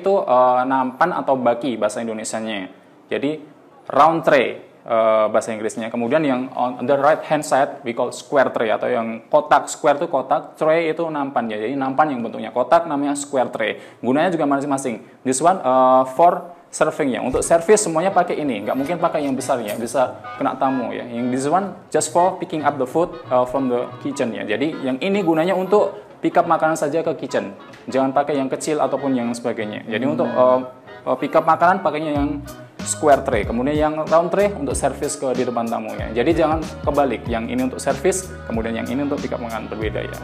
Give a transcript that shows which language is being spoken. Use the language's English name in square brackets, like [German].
[Indonesian] itu nampan atau baki bahasa Indonesianya. Jadi round tray bahasa Inggrisnya. Kemudian yang [English] on the right hand side we call square tray [Indonesian] atau yang kotak. Square itu kotak, tray itu nampan ya. Jadi nampan yang bentuknya kotak namanya square tray. Gunanya juga masing-masing. [English] This one for serving [Indonesian] ya. Untuk service semuanya pakai ini. Nggak mungkin pakai yang besar ya. Bisa kena tamu ya. [English] Yang this one just for picking up the food from the kitchen ya. [Indonesian] Jadi yang ini gunanya untuk pick up makanan saja ke kitchen. Jangan pakai yang kecil ataupun yang sebagainya. Jadi untuk pick up makanan pakainya yang square tray, kemudian yang round tray untuk service ke di depan tamu ya. Jadi jangan kebalik, yang ini untuk service, kemudian yang ini untuk pick up makanan, berbeda ya.